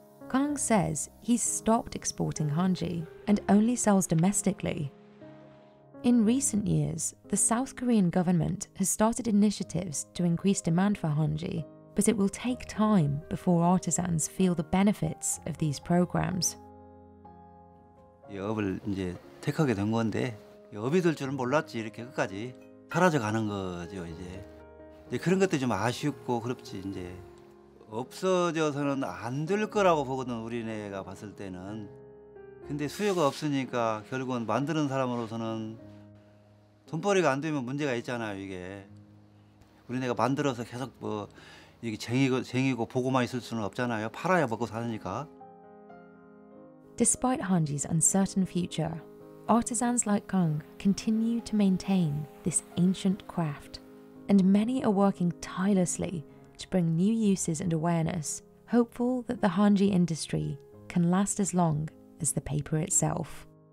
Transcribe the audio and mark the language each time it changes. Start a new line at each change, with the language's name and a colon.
English: Kang says he's stopped exporting hanji and only sells domestically. In recent years, the South Korean government has started initiatives to increase demand for hanji, but it will take time before artisans feel the benefits of these programs.
Korean: 업을 이제 택하게 된 건데 업이 될 줄은 몰랐지 이렇게 끝까지 사라져 가는 거죠 이제 그런 것도 좀 아쉽고 그렇지 이제 없어져서는 안 될 거라고 보거든 우리네가 봤을 때는 근데 수요가 없으니까 결국은 만드는 사람으로서는 돈벌이가 안 되면 문제가 있잖아요 이게 우리네가 만들어서 계속 뭐 이게 쟁이고 보고만 있을 수는 없잖아요 팔아야 먹고 사니까.
English: Despite Hanji's uncertain future, artisans like Kang continue to maintain this ancient craft, and many are working tirelessly to bring new uses and awareness, hopeful that the Hanji industry can last as long as the paper itself.